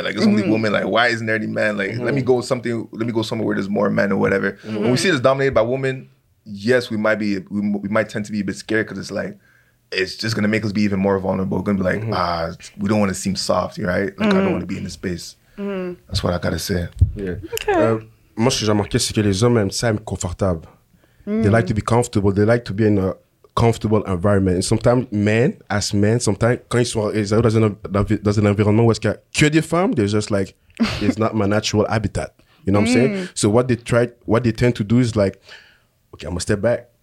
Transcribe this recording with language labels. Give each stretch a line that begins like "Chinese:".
English: Like, it's only women. Like, why isn't there any men? Like, let me go somewhere where there's more men or whatever. Mm-hmm. When we see this dominated by women, yes, we might tend to be a bit scared, because it's like, it's just going to make us be even more vulnerable. Going to be like, we don't want to seem soft, right? Like, I don't want to be in this space. Mm-hmm. That's what I got to say. Yeah.
French: Moi, ce que j'ai remarqué, c'est que les hommes aiment ça être confortable.
English: They like to be comfortable. They like to be in a comfortable environment. And sometimes men,
French: quand ils sont dans un environnement où est-ce qu'il y a que des femmes,
English: they're just like, it's not my natural habitat. You know what I'm saying? So what they tend to do is like, okay, I'm going to step back.